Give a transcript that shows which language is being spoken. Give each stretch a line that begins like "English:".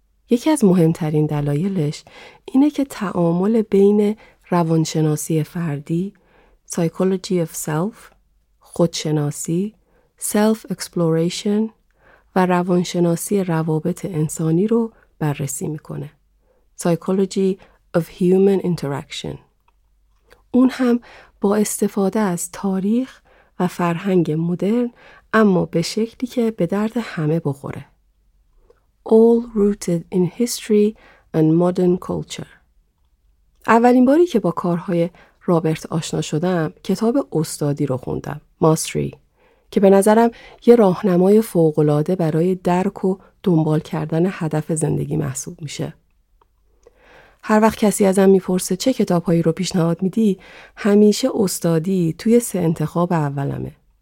Persian: یکی از مهمترین دلایلش اینه که تعامل بین روانشناسی فردی
English: (psychology of self),
Persian: خودشناسی
English: (self exploration)
Persian: و روانشناسی روابط انسانی رو بررسی میکنه
English: (psychology of human interaction).
Persian: اون هم با استفاده از تاریخ و فرهنگ مدرن، اما به شکلی که به درد همه بخوره.
English: All rooted in history and modern culture.
Persian: اولین باری که با کارهای رابرت آشنا شدم، کتاب استادی رو خوندم، Mastery، که به نظرم یه راهنمای فوق‌العاده برای درک و دنبال کردن هدف زندگی محسوب میشه. هر وقت کسی ازم میپرسه چه کتابهایی رو پیشنهاد میدی، همیشه استادی توی 3 انتخاب اولمه.